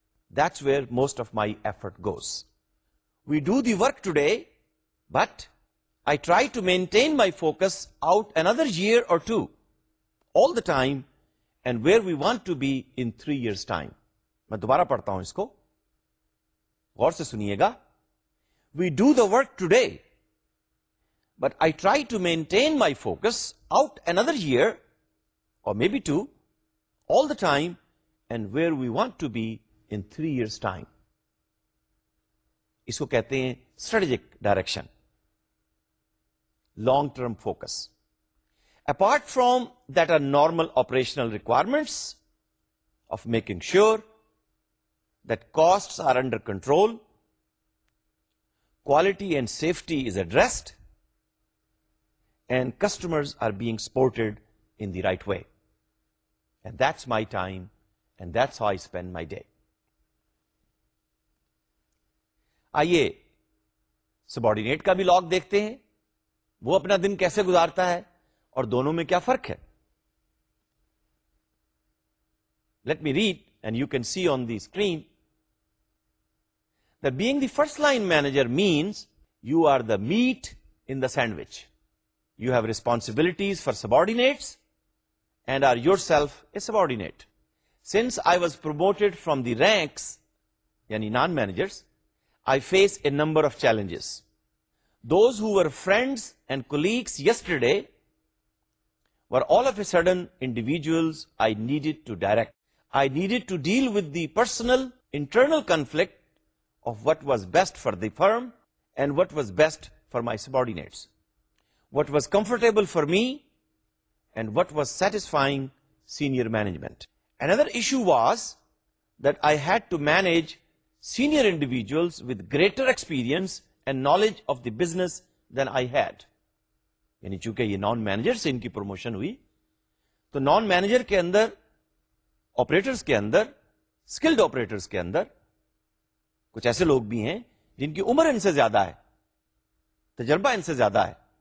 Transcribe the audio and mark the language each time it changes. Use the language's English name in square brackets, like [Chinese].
[English] That's where most of my effort goes. We do the work today, but I try to maintain my focus out another year or two, all the time, and where we want to be in 3 years' time. [Urdu] میں دوبارہ پڑھتا ہوں اس کو, غور سے سنیے گا. [English] We do the work today, but I try to maintain my focus out another year, or maybe two, all the time, and where we want to be in 3 years' time. [Urdu] اس کو کہتے ہیں [English] strategic direction, long-term focus. Apart from that are normal operational requirements of making sure that costs are under control, quality and safety is addressed, and customers are being supported in the right way. And that's my time, and that's how I spend my day. [Urdu] آئیے subordinate کا بھی log دیکھتے ہیں, وہ اپنا دن کیسے گزارتا ہے اور دونوں میں کیا فرق ہے. [English] Let me read and you can see on the screen that being the first line manager means you are the meat in the sandwich. You have responsibilities for subordinates and are yourself a subordinate. Since I was promoted from the ranks, yani non-managers, I face a number of challenges. Those who were friends and colleagues yesterday were all of a sudden individuals I needed to direct. I needed to deal with the personal internal conflict of what was best for the firm and what was best for my subordinates. What was comfortable for me and what was satisfying senior management. Another issue was that I had to manage senior individuals with greater experience and knowledge of the business than I had. [Urdu] یعنی چونکہ یہ non manager سے ان کی promotion ہوئی تو non manager کے اندر operators کے اندر skilled operators کے اندر کچھ ایسے لوگ بھی ہیں جن کی عمر ان سے زیادہ ہے, تجربہ ان سے زیادہ ہے.